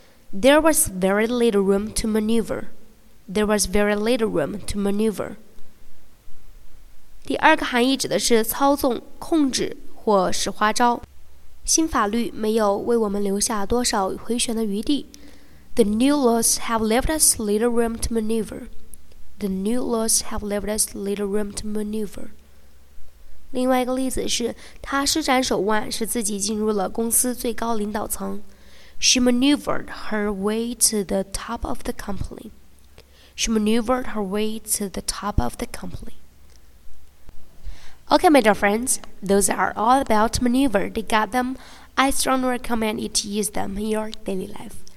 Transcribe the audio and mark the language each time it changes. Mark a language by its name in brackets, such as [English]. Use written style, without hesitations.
[English] There was very little room to maneuver. There was very little room to maneuver. [Chinese] 第二个含义指的是操纵、控制或使花招。新法律没有为我们留下多少回旋的余地。 [English] The new laws have left us little room to maneuver. The new laws have left us little room to maneuver. [Chinese] 另外一个例子是，她施展手腕使自己进入了公司最高领导层。 [English] She maneuvered her way to the top of the company. She maneuvered her way to the top of the company. Okay, my dear friends, those are all about maneuver. They got them. I strongly recommend you to use them in your daily life.